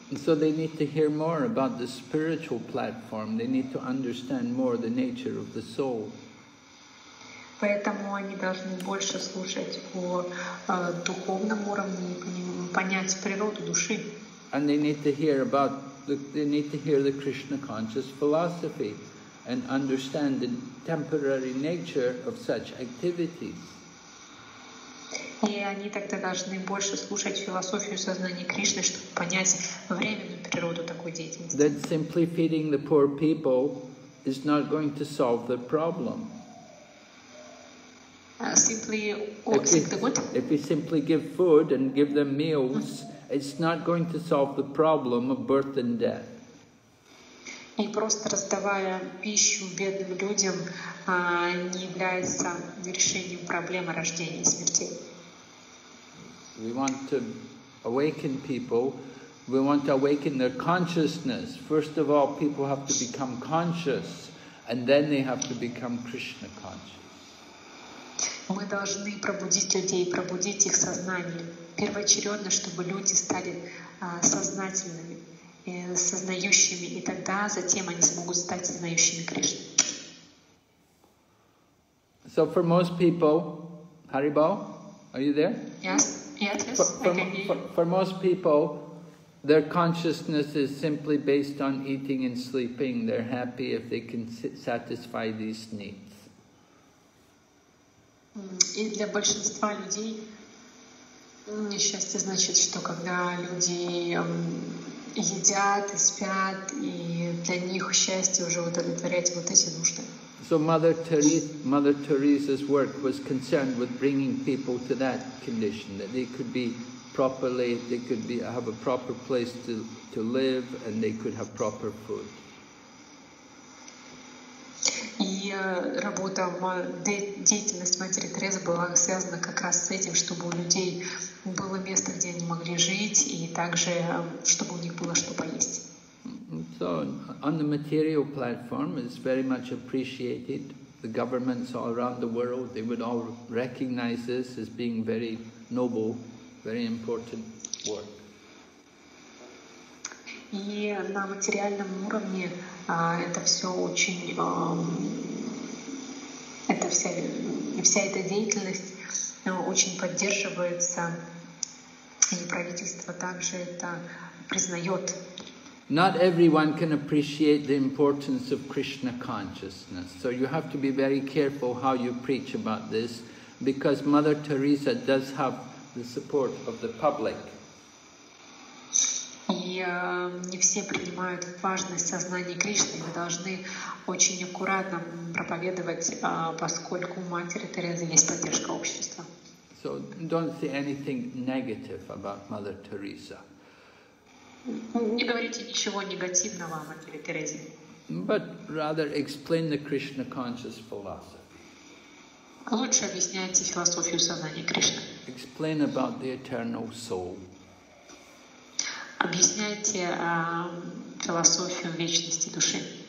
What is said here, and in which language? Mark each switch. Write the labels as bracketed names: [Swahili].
[English] So they need to hear more about the spiritual platform. They need to understand more the nature of the soul. [Russian] Поэтому они должны больше слушать о духовном уровне и понять природу души. [English] And they need to hear the Krishna conscious philosophy and understand the temporary nature of such activities. [Russian] И они тогда должны больше слушать философию сознания Кришны, чтобы понять временную природу такой деятельности. [English] That simply feeding the poor people is not going to solve the problem. If you simply give food and give them meals, it's not going to solve the problem of birth and death. [Russian] И просто раздавая пищу бедным людям, не является решением проблемы рождения и смерти. [English] We want to awaken people. We want to awaken their consciousness. First of all, people have to become conscious, and then they have to become Krishna conscious. [Russian] Мы должны пробудить людей, пробудить их сознание. Первоочередно, чтобы люди стали сознательными, сознающими, и тогда затем они смогут стать сознающими Кришну. [English] So for most people, Haribol, are you there? Yes. For most people, their consciousness is simply based on eating and sleeping. They're happy if they can satisfy these needs. [Russian] И для большинства людей несчастье значит, что когда люди едят и спят, и для них счастье уже удовлетворять вот эти нужды. [English] So Mother Teresa's work was concerned with bringing people to that condition, that they could be properly, they could be have a proper place to live, and they could have proper food. [Russian] И работа, деятельность Матери Терезы была связана как раз с этим, чтобы у людей было место, где они могли жить, и также, чтобы у них было что поесть. [English] So, on the material platform, it's very much appreciated. The governments all around the world, they would all recognize this as being very noble, very important work. [Russian] И на материальном уровне это все очень, это вся эта деятельность очень поддерживается, и правительство также это признает. [English] Not everyone can appreciate the importance of Krishna consciousness, so you have to be very careful how you preach about this, because Mother Teresa does have the support of the public. [Russian] И не все принимают важность сознания Кришны. Мы должны очень аккуратно проповедовать, поскольку у Матери Терезы есть поддержка общества. [English] So don't say anything negative about Mother Teresa. [Russian] Не говорите ничего негативного о Матери Терезе. [English] But rather explain the Krishna conscious philosophy. [Russian] Лучше объясняйте философию сознания Кришны. [English] Explain about the eternal soul. [Russian] Объясняйте философию вечности души.